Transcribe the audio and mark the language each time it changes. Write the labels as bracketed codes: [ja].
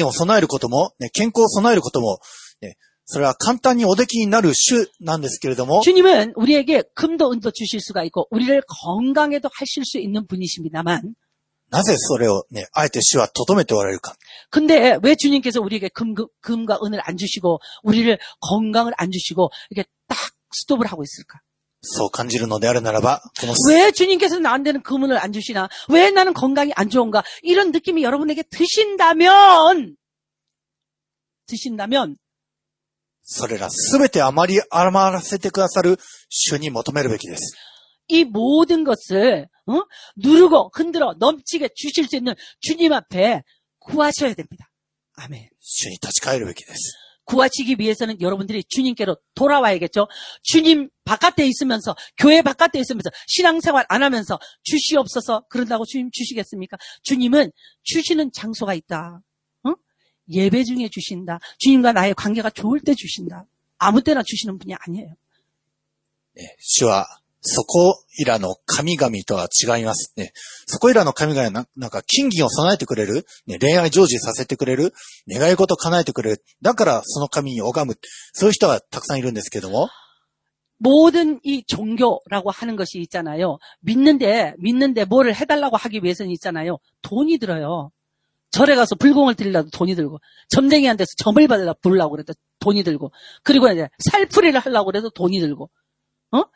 [ja] ですから主は皆さんに金銀を備えることも健康を備えることも それは簡単におできになる主なんですけれども [ko] 주님은 우리에게 금도 은도 주실 수가 있고 우리를 건강에도 하실 수 있는 분이십니다만 [ja] なぜそれをね、あえて主は留めておられるか [ko] 근데 왜 주님께서 우리에게 금과 은을 안 주시고 우리를 건강을 안 주시고 이렇게 딱 스톱을 하고 있을까? [ja] そう感じるのであるならば [ko] この왜 주님께서 나한테는 금은을 안 주시나? 왜 나는 건강이 안 좋은가? 이런 느낌이 여러분에게 드신다면 [ja] それらすべて余り余らせてくださる主に求めるべきです。 [ko] 이 모든 것을 누르고 흔들어 넘치게 주실 수 있는 주님 앞에 구하셔야 됩니다. 아멘. 주님 다시 가야 될 것입니다. 구하시기 위해서는 여러분들이 주님께로 돌아와야겠죠. 주님 바깥에 있으면서 교회 바깥에 있으면서 신앙생활 안 하면서 주시옵소서 그런다고 주님 주시겠습니까? 주님은 주시는 장소가 있다. 응? 예배 중에 주신다. 주님과 나의 관계가 좋을 때 주신다. 아무 때나 주시는 분이 아니에요. [ja] 네, 주와 そこいらの神々とは違いますね。そこいらの神々はなんか金銀を備えてくれる、ね、恋愛成就させてくれる、願い事を叶えてくれる、だからその神に拝む、そういう人はたくさんいるんですけども。 [ko] 모든 이 종교라고 하는 것이 있잖아요. 믿는데 뭐를 해달라고 하기 위해서는 있잖아요. 돈이 들어요. 절에 가서 불공을 드리려도 돈이 들고, 점쟁이한테 점을 받으려고 그래도 돈이 들고, 그리고 이제 살풀이를 하려고 그래도 돈이 들고. 어?